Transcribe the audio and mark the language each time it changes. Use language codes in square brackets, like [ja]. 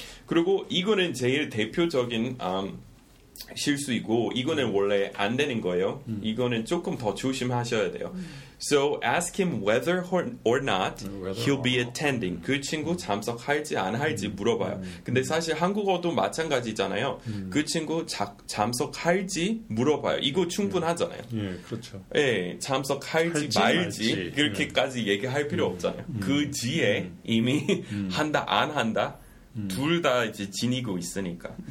[ko] 그리고 이거는 제일 대표적인 실수이고 이거는 원래 안 되는 거예요. 이거는 조금 더 조심하셔야 돼요. [en] So ask him whether or not he'll be attending. [ko] 그 친구 참석할지 안 할지 물어봐요. 근데 사실 한국어도 마찬가지잖아요. 그 친구 참석할지 물어봐요. 이거 충분하잖아요. 예, 그렇죠. 예, 참석할지 말지 그렇게까지 예. 얘기할 필요 없잖아요. 그 뒤에 이미 한다 안 한다 둘 다 이제 지니고 있으니까.